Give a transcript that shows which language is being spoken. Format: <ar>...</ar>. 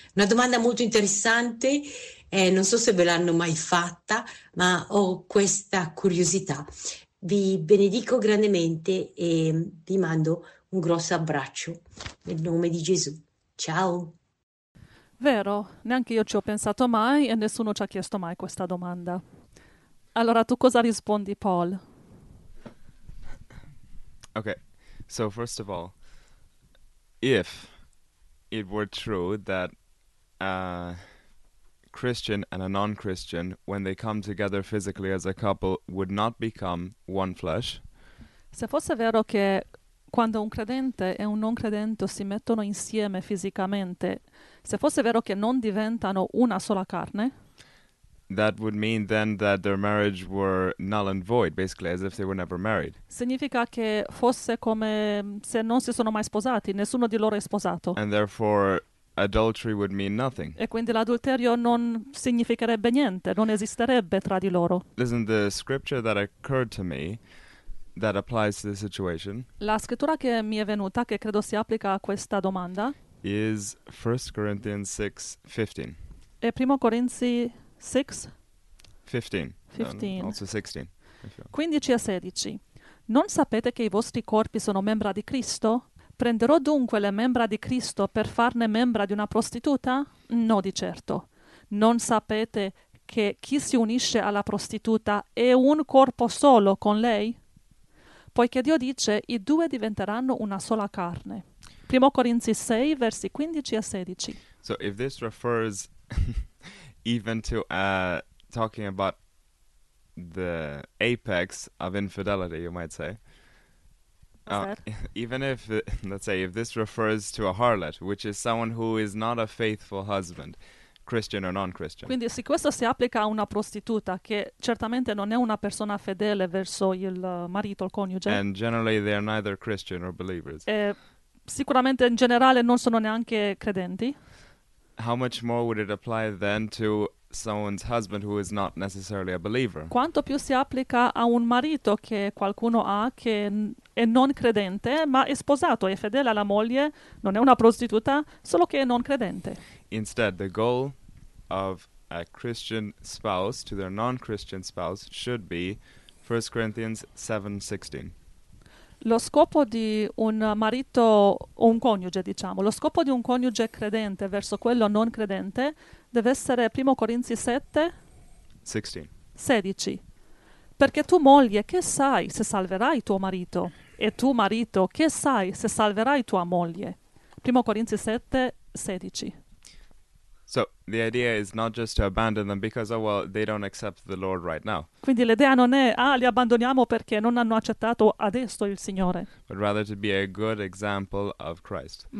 <it>Una domanda molto interessante, non so se ve l'hanno mai fatta, ma ho questa curiosità. Vi benedico grandemente e vi mando un grosso abbraccio nel nome di Gesù. Ciao. Vero, neanche io ci ho pensato mai e nessuno ci ha chiesto mai questa domanda. Allora, tu cosa rispondi, Paul?</it> <en>Okay, so first of all, if it were true that a Christian and a non-Christian, when they come together physically as a couple, would not become one flesh,</en> <it>Se fosse vero che quando un credente e un non credente si mettono insieme fisicamente, se fosse vero che non diventano una sola carne,</it> <en>that would mean then that their marriage were null and void, basically as if they were never married.</en> <it>significa che fosse come se non si sono mai sposati, nessuno di loro è sposato.</it> <en>And therefore adultery would mean nothing.</en> <it>E quindi l'adulterio non significherebbe niente, non esisterebbe tra di loro.</it> <en>Listen, the scripture that occurred to me that applies to the situation</en> <it>La scrittura che mi è venuta, che credo si applica a questa domanda,</it> <en>is 1 Corinthians 6:15.</en> <it>è 1 Corinzi 6, 15, 15,</it> <en>also 16, if you</en> <it>15 a 16. Non sapete che i vostri corpi sono membra di Cristo? Prenderò dunque le membra di Cristo per farne membra di una prostituta? No, di certo. Non sapete che chi si unisce alla prostituta è un corpo solo con lei? Poiché Dio dice, i due diventeranno una sola carne. 1 Corinzi 6, versi 15 a 16.</it> <en>so if this refers even to talking about the apex of infidelity, you might say. Even if, let's say, if this refers to a harlot, which is someone who is not a faithful husband, Christian or non-Christian.</en> <it>Quindi, se questo si applica a una prostituta che certamente non è una persona fedele verso il marito, il coniuge,</it> <en>And generally they are neither Christian or believers.</en> <it>sicuramente in generale non sono neanche credenti.</it> <en>How much more would it apply then to someone's husband who is not necessarily a believer?</en> <it>Quanto più si applica a un marito che qualcuno ha, che è non credente, ma è sposato, è fedele alla moglie, non è una prostituta, solo che è non credente.</it> <en>Instead, the goal of a Christian spouse to their non-Christian spouse should be 1 Corinthians 7:16.</en> <it>Lo scopo di un marito, o un coniuge, diciamo, lo scopo di un coniuge credente verso quello non credente deve essere 1 Corinzi 7, 16. 16. Perché tu moglie, che sai se salverai tuo marito? E tu marito, che sai se salverai tua moglie? 1 Corinzi 7, 16.</it> <en>So the idea is not just to abandon them because, oh well, they don't accept the Lord right now.</en> <it>Quindi l'idea non è, ah, li abbandoniamo perché non hanno accettato adesso il Signore.</it> <en>But rather to be a good example of Christ.</en>